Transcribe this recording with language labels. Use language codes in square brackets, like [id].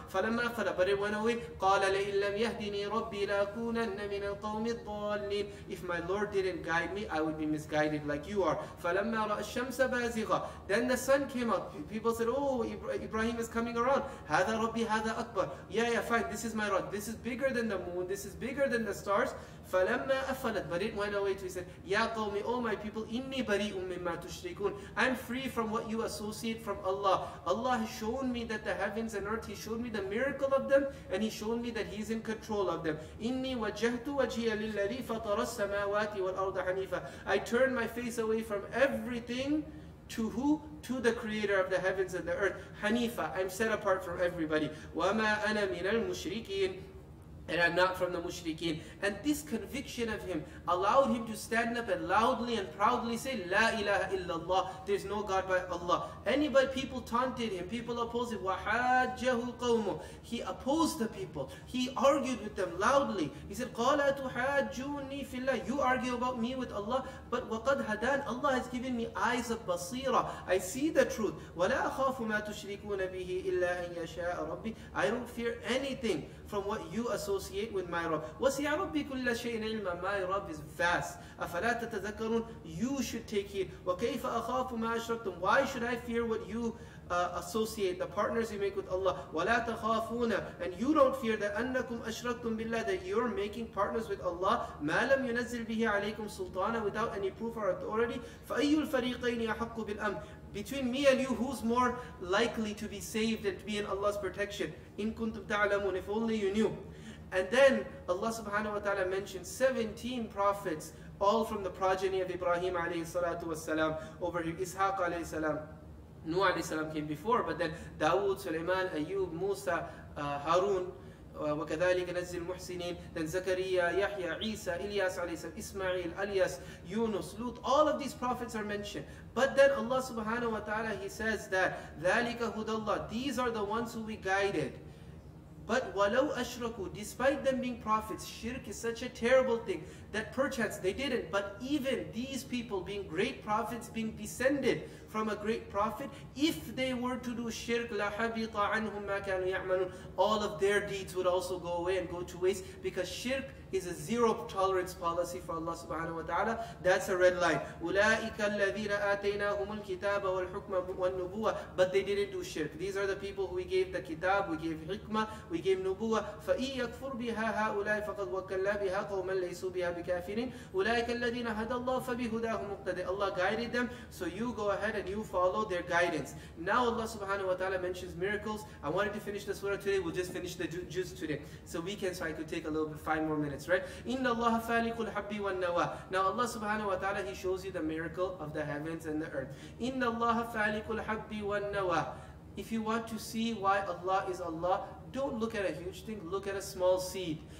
[ar] فَلَمَّا أَفَلَ. [en] But it went away. [ar] قَالَ لَئِن لَمْ يَهْدِنِي رَبِّي لَأَكُونَنَّ مِنَ الْقَوْمِ الضَّالِّينَ. [en] If my Lord didn't guide me, I would be misguided like you are. [ar] فَلَمَّا رَأَى الشَّمْسَ بَازِغَةً. [en] Then the sun came out. People said, oh, Ibrahim is coming around. [ar] هَذَا رَبِّي هَذَا أَكْبَرُ. [en] Yeah, fine. This is my Lord. This is bigger than the moon. This is bigger than the stars. [ar] فَلَمَّا أَفَلَتْ. [en] But it went away too. He said, [ar] يَا قَوْمِ, [en] oh my people, [ar] إِنِّي بَرِيءٌ مِمَّا تُشْرِكُونَ. [en] I'm free from what you associate from Allah. Allah has shown me that the heavens and earth, He showed me the miracle of them, and He showed me that He's in control of them. [ar] إِنِّي وَجَّهْتُ وَجْهِيَ لِلَّذِي فَطَرَ السَّمَاوَاتِ وَالْأَرْضَ حَنِيفًا. [en] I turned my face away from everything. To who? To the creator of the heavens and the earth. Hanifa, I'm set apart from everybody. [ar] وَمَا أَنَا مِنَ الْمُشْرِكِينَ. [en] And I'm not from the mushrikeen. And this conviction of him allowed him to stand up and loudly and proudly say, [ar] La ilaha illallah, [en] there's no God but Allah. Anybody, people taunted him, people opposed him. [ar] وَحَاجَّهُ الْقَوْمُ. [en] He opposed the people. He argued with them loudly. He said, [ar] قَالَ تُحَاجُّونِي فِي اللَّهِ. [en] You argue about me with Allah, but [ar] وَقَدْ هَدَانْ. [en] Allah has given me eyes of basira. I see the truth. [ar] وَلَا أَخَافُ مَا تُشْرِكُونَ بِهِ إِلَّا أَنْ يَشَاءَ رَبِّي. [en] I don't fear anything from what you associate with my Rabb. [ar] وَسِعَ رَبِّي كُلَّ شَيْءٍ عِلْمًا. [en] My Rabb is vast. [ar] أَفَلَا تَتَذَكَّرُونَ. [en] You should take heed. [ar] وَكَيْفَ أَخَافُ مَا أَشْرَكْتُمْ. [en] Why should I fear what you associate, the partners you make with Allah? [ar] وَلَا تَخَافُونَ. [en] And you don't fear that [ar] أَنَّكُمْ أَشْرَكْتُمْ بِاللَّهِ, [en] that you're making partners with Allah. [ar] مَا لَمْ يُنَزِّلْ بِهِ عَلَيْكُمْ سُلْطَانًا, [en] without any proof or authority. [ar] فَأَيُّ الْفَرِيقَيْنِ أَحَقُّ بِالْأَمْنِ. [en] Between me and you, who's more likely to be saved and to be in Allah's protection? [ar] In kuntum ta'lamun, [en] if only you knew. And then Allah subhanahu wa ta'ala mentioned 17 prophets, all from the progeny of Ibrahim alayhi salatu wasalam, over here, Ishaq alayhi salam, Nuh alayhi salam came before, but then Dawood, Sulaiman, Ayyub, Musa, Harun, [ar] وَكَذَلِكَ نَزِّي الْمُحْسِنِينَ [en] then Zakariya, Yahya, Isa, Ilyas alayhi salam, Ismail, Alias, Yunus, Lut, all of these prophets are mentioned. But then Allah subhanahu wa ta'ala, He says that [ar] ذَلِكَ هُدَى اللَّهِ [en] these are the ones who we guided. But [ar] وَلَوْ أَشْرَكُوا [en] despite them being prophets, shirk is such a terrible thing that perchance they didn't. But even these people being great prophets, being descended from a great prophet, if they were to do shirk, [ar] لَحَبِطَ عَنْهُمْ مَا كَانُوا يَعْمَلُونَ [en] all of their deeds would also go away and go to waste, because shirk is a zero tolerance policy for Allah subhanahu wa ta'ala. That's a red line. [ar] أُولَٰئِكَ الَّذِينَ آتَيْنَاهُمُ الْكِتَابَ وَالْحُكْمَ وَالنُّبُوَّةَ [en] but they didn't do shirk. These are the people who we gave the kitab, we gave hikmah, we gave nubuwah. [ar] فَإِنْ يَكْفُرْ بِهَا هَؤُلَاءِ فَقَدْ وَكَّلَّا بِهَا قَوْمًا لَيْسُوا بِهَا بِكَافِرِينَ أُولَٰئِكَ الَّذِينَ هَدَى اللَّهُ فَبِهُدَاهُمْ مُقْتَدِي [en] Allah guided them, so you go ahead and you follow their guidance. Now Allah subhanahu wa ta'ala mentions miracles. I wanted to finish the surah today, we'll just finish the juice today. So I could take a little bit, 5 more minutes. Right? [ar] Inna Allah faliqul habbi wan nawa. [en] Now Allah subhanahu wa ta'ala, He shows you the miracle of the heavens and the earth. [ar] Inna Allah faliqul habbi wan nawa. [en] If you want to see why Allah is Allah, don't look at a huge thing, look at a small seed.